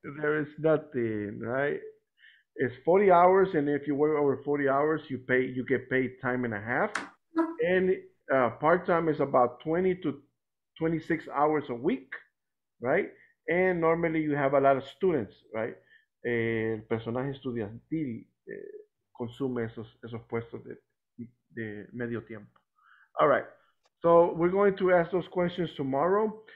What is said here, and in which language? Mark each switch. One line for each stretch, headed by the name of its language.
English: There is nothing, right? It's 40 hours, and if you work over 40 hours, you pay. You get paid time and a half. And part-time is about 20 to 26 hours a week, right? And normally you have a lot of students, right?
Spanish: El personaje estudiantil consume esos puestos de medio tiempo.
English: All right. So we're going to ask those questions tomorrow.